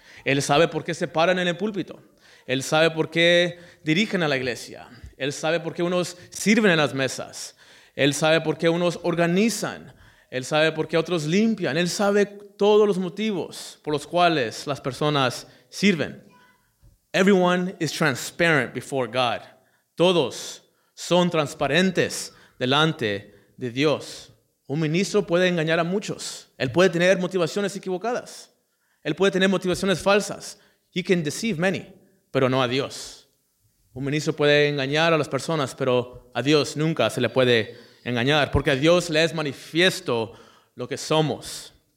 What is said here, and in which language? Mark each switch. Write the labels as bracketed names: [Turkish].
[Spanish] Él sabe por qué se paran en el púlpito. Él sabe por qué dirigen a la iglesia. Él sabe por qué unos sirven en las mesas. Él sabe por qué unos organizan. Él sabe por qué otros limpian. Él sabe todos los motivos por los cuales las personas sirven. [English] Everyone is transparent before God. [Spanish] Todos son transparentes delante de Dios. Un ministro puede engañar a muchos. Él puede tener motivaciones equivocadas. Él puede tener motivaciones falsas. [English] He can deceive many, [Spanish] pero no a Dios. Un ministro puede engañar a las personas, pero a Dios nunca se le puede engañar, porque a Dios le es manifiesto lo que somos.